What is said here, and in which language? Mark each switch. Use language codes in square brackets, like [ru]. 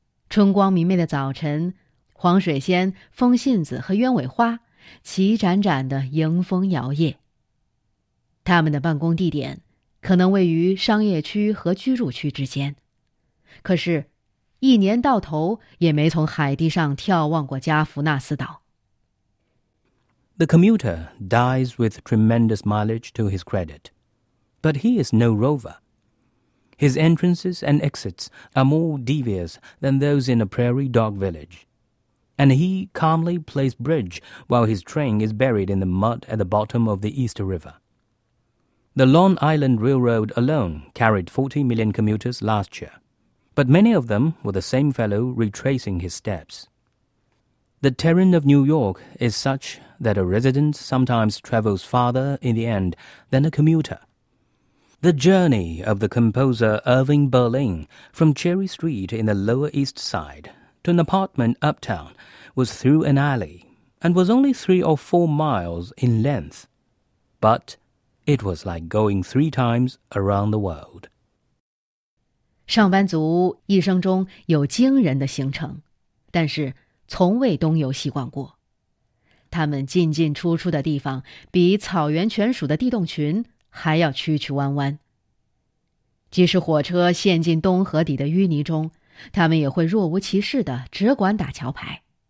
[zh] 春光明媚的早晨，黄水仙、风信子和鸢尾花齐展展地迎风摇曳。他们的办公地点可能位于商业区和居住区之间，可是一年到头也没从海地上眺望过加弗纳斯岛。 [en] The commuter dies with tremendous mileage to his credit, but he is no rover. His entrances and exits are more devious than those in a prairie dog village, and he calmly plays bridge while his train is buried in the mud at the bottom of the East River. The Long Island Railroad alone carried 40 million commuters last year, but many of them were the same fellow retracing his steps. The terrain of New York is such that a resident sometimes travels farther in the end than a commuter. The journey of the composer Irving Berlin from Cherry Street in the Lower East Side to an apartment uptown was through an alley and was only 3 or 4 miles in length. But it was like going 3 times around the world. [zh] 上班族一生中有惊人的行程，但是从未东游西逛过，他们进进出出的地方比草原犬鼠的地洞群还要曲曲弯弯。即使火车陷进东河底的淤泥中，他们也会若无其事地只管打桥牌。